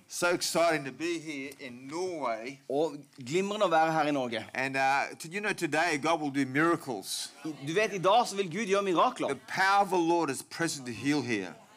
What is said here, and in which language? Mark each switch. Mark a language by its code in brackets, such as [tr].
[en] So exciting to be here in Norway. [no] Og glimrende å være her I Norge. [en] And you know today God will do miracles. [no] Du vet I dag så vil Gud gjøre mirakler. [en] The power of the Lord is present to heal here.